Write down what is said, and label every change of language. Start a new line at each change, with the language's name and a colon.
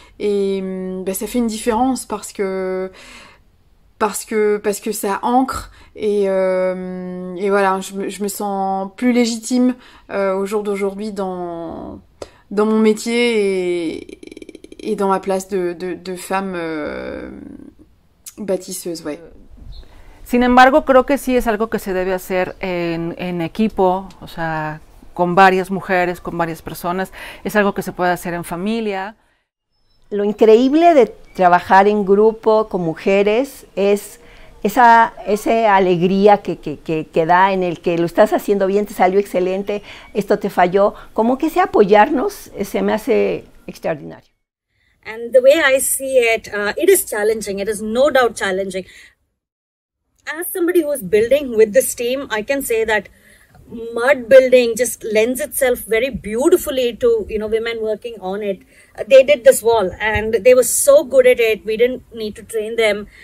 French: Et bah, ça fait une différence parce que ça ancre et voilà, je me sens plus légitime au jour d'aujourd'hui dans mon métier et dans ma place de femme bâtisseuse, ouais.
Spanish: Sin embargo, creo que sí es algo que se debe hacer en equipo, o sea, con varias mujeres, con varias personas. Es algo que se puede hacer en familia. Lo increíble de trabajar en grupo con mujeres es esa alegría que da, en el que lo estás haciendo bien, te salió excelente, esto te falló. Como que ese apoyarnos se me hace extraordinario.
English: And the way I see it, it is challenging, it is no doubt challenging. As somebody who is building with this team, I can say that mud building just lends itself very beautifully to, you know, women working on it. They did this wall and they were so good at it. We didn't need to train them.